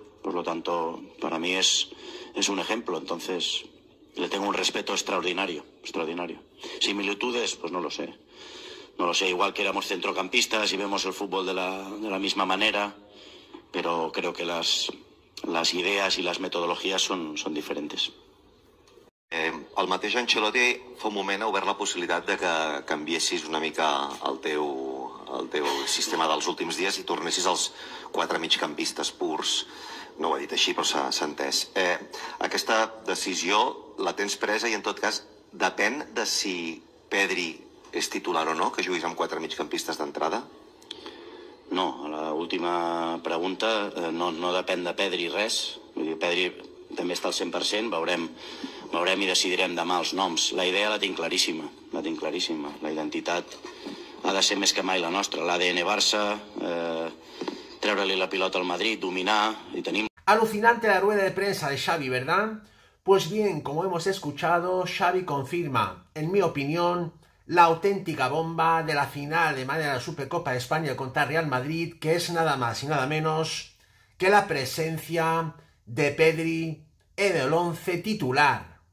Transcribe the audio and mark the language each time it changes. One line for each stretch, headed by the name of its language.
Spanish: Por lo tanto, para mí es un ejemplo. Entonces, le tengo un respeto extraordinario, extraordinario. Similitudes, pues no lo sé. no lo sé, igual que éramos centrocampistas y vemos el fútbol de la misma manera, pero creo que las ideas y las metodologías son diferentes.
Catalan: El mateix Ancelotti fa un moment ha obert la possibilitat de que canviessis una mica el teu sistema dels últims dies i tornessis als quatre migcampistes purs. No ho ha dit així, però s'ha entès. Aquesta decisió la tens presa i, en tot cas, depèn de si Pedri és titular o no, que juguis amb quatre migcampistes d'entrada? No, la última pregunta no depèn de Pedri res. Pedri també està al 100%, veurem i decidirem demà els noms. La idea la tinc claríssima. La identitat ha de ser més que mai la nostra. L'ADN Barça, treure-li la pilota al Madrid, dominar i tenim...
Spanish: Alucinante la rueda de prensa de Xavi, ¿verdad? Pues bien, como hemos escuchado, Xavi confirma, en mi opinión, la auténtica bomba de la final de manera de la Supercopa de España contra Real Madrid, que es nada más y nada menos que la presencia de Pedri en el 11 titular.